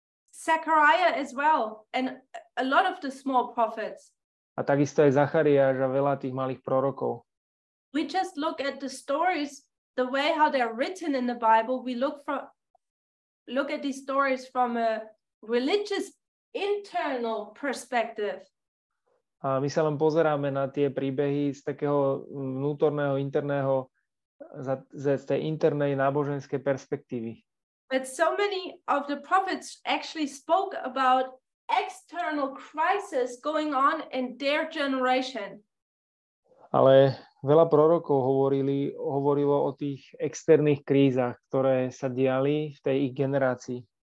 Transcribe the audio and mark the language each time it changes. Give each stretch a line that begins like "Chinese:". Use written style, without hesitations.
English: Zechariah as well, and a lot of the small prophets.
Slovak: A takisto aj Zachariáš a veľa tých malých prorokov.
English: We just look at the stories, the way how they're written in the Bible. We look at these stories from a religious internal perspective.
Slovak: A my sa len pozeráme na tie príbehy z takého vnútorného, interného z tej internej náboženskej perspektívy.
English: But so many of the prophets actually spoke about external crisis going on in their generation.
Slovak: Ale veľa prorokov hovorilo o tých externých krízach, ktoré sa diali v tej ich generácii.